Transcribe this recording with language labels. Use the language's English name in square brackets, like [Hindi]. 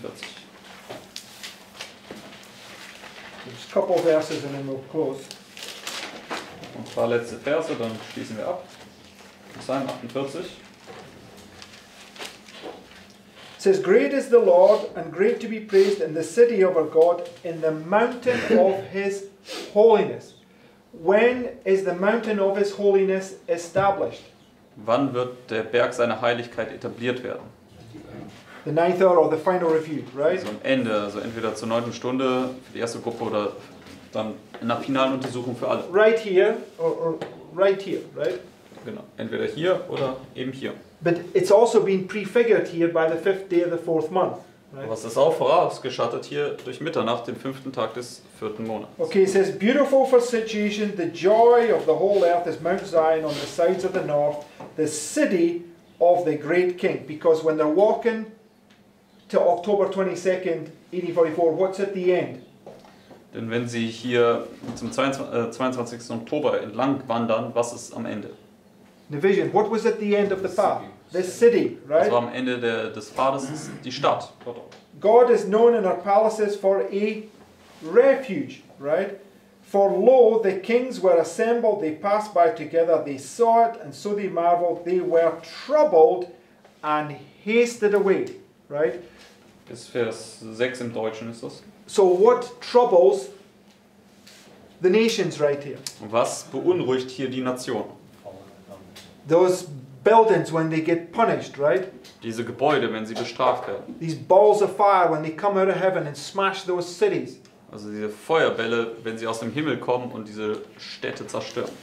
[English] There's a couple of verses and then we'll close. [German] Ein paar letzte Verse, dann schließen wir ab. [English] Psalm 48. It says, great is the Lord and great to be praised in the city of our God, in the mountain of his holiness. When is the mountain of his holiness established? [German] Wann wird der Berg seiner Heiligkeit etabliert werden? [English] The ninth hour or the final review, right? [German] Also am Ende, also entweder zur neunten Stunde für die erste Gruppe oder dann in der finalen Untersuchung für alle. [English] Right here or right here, right? [German] Genau, entweder hier oder eben hier. [English] But it's also been prefigured here by the fifth day of the fourth month. Right? [German] Was ist auch vorausgeschattet hier durch Mitternacht, den fünften Tag des vierten Monats. [English] Okay, it says, beautiful for situation, the joy of the whole earth is Mount Zion on the sides of the north, the city of the great king. Because when they're walking to October 22nd, 1844, what's at the end? [German] Denn wenn sie hier zum 22. Oktober entlang wandern, was ist am Ende? [English] The vision. What was at the end of the path? The city, right? [German] Also am Ende des Pfades ist die Stadt. [English] God is known in our palaces for a refuge, right? For lo, the kings were assembled, they passed by together, they saw it, and so they marveled, they were troubled and hasted away, right? [German] Das Vers 6 im Deutschen ist das. [English] So what troubles the nations right here? [German] Was beunruhigt hier die Nationen? [English] Those buildings when they get punished, right? [German] Diese Gebäude, wenn sie bestraft werden. [English] These balls of fire when they come out of heaven and smash those cities. [German] Also diese Feuerbälle, wenn sie aus dem Himmel kommen und diese Städte zerstören.